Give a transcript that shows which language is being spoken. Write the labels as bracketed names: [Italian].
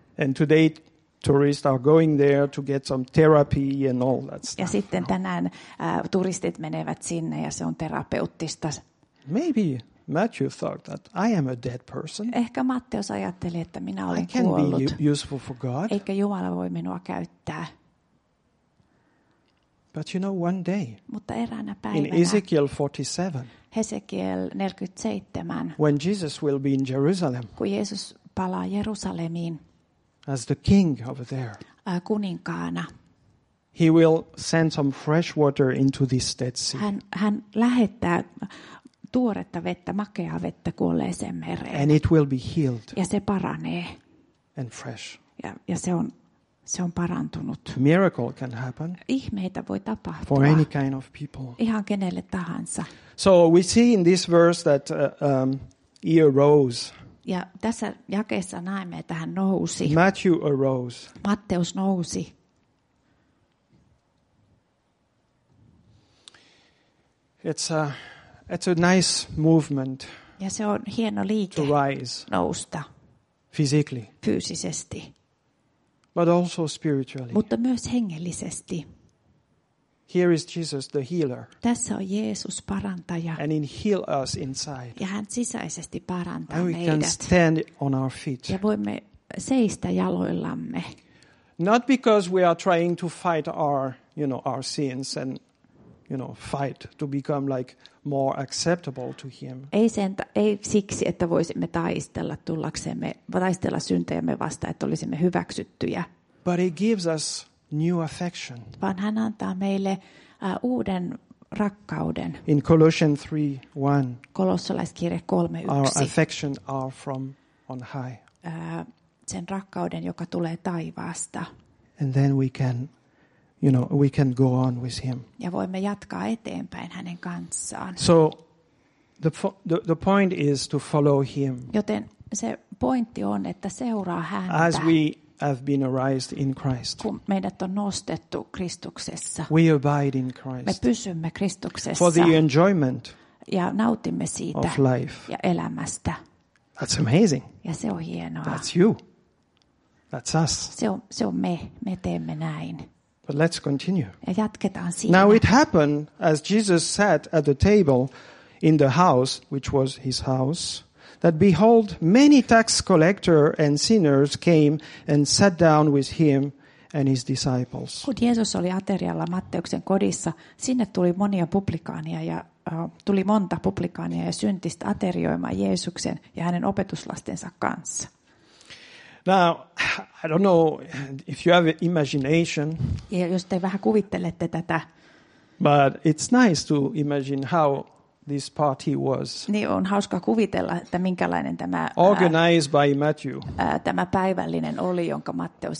[English] And today tourists are going there to get some therapy and all that stuff. [Finnish] Ja sitten tänään turistit menevät sinne ja se on terapeuttista. [English] Maybe Matthew thought that I am a dead person. [Finnish] Ehkä Matteus ajatteli, että minä olen kuollut. [English] I can be useful for God. [Finnish] Eikä Jumala voi minua käyttää. [English] But you know, one day. [Finnish] Mutta eräänä päivänä. [English] In Ezekiel 47. [Finnish] Hesekiel 47. [English] When Jesus will be in Jerusalem. [Finnish] Kun Jeesus palaa Jerusalemiin. [English] As the king over there. [Finnish] Kuninkaana. [English] He will send some fresh water into this Dead Sea. [Finnish] Hän lähettää tuoretta vettä, makeaa vettä kuolleeseen mereen. [English] And it will be healed. [Finnish] Ja se paranee. [English] And fresh. [Finnish] Ja se on parantunut. [English] Miracle can happen. [Finnish] Ihmeitä voi tapahtua. [English] For any kind of people. [Finnish] Ihan kenelle tahansa. [English] So we see in this verse that he arose. [Finnish] Ja tässä jakeessa näemme, että hän nousi. [English] Matthew arose. [Finnish] Matteus nousi. [English] It's a nice movement. [Finnish] Ja se on hieno liike. [English] To rise. [Finnish] Nousta. [English] Physically. [Finnish] Fyysisesti. [English] But also spiritually. [Finnish] Mutta myös hengellisesti. [English] Here is Jesus the healer. [Finnish] Tässä on Jeesus parantaja. [English] And he heal us inside. [Finnish] Ja hän sisäisesti parantaa [English] and we [Finnish] meidät. [English] Can stand on our feet. [Finnish] Ja voimme seistä jaloillamme. [English] Not because we are trying to fight our, you know, our sins and you know, fight to become like more acceptable to him. [Finnish] Ei siksi, että voisimme taistella syntejämme vastaan, että olisimme hyväksyttyjä. [English] But he gives us new affection. [Finnish] Vaan hän antaa meille uuden rakkauden. [English] In Colossians 3:1. [Finnish] Kolossalaiskirje 3:1. [English] Our affection are from on high. [Finnish] Sen rakkauden, joka tulee taivaasta. [English] And then we can, you know, we can go on with him. [Finnish] Ja voimme jatkaa eteenpäin hänen kanssaan. [English] So the point is to follow him. [Finnish] Joten se pointti on, että seuraa häntä. [English] As we have been raised in Christ. [Finnish] Kun meidät on nostettu Kristuksessa. [English] We abide in Christ. [Finnish] Me pysymme Kristuksessa. [English] For the enjoyment. [Finnish] Ja nautimme siitä. [English] Of life. [Finnish] Ja elämästä. [English] That's amazing. [Finnish] Ja se on hienoa. [English] That's you. That's us. [Finnish] Se on me teemme näin. [English] But let's continue. [Finnish] Ja jatketaan siinä. [English] Now it happened as Jesus sat at the table in the house, which was his house, that behold, many tax collectors and sinners came and sat down with him and his disciples. [Finnish] Kun Jeesus oli aterialla Matteuksen kodissa, sinne tuli monia publikaania ja tuli monta publikaania ja syntistä aterioimaan Jeesuksen ja hänen opetuslastensa kanssa. [English] Now, I don't know if you have imagination. [Finnish] Ja jos te vähän kuvittelette tätä. [English] But it's nice to imagine how this party was. [Finnish] Niin on hauska kuvitella, että minkälainen tämä [English] organized by Matthew. [Finnish] Tämä päivällinen oli, jonka Matteus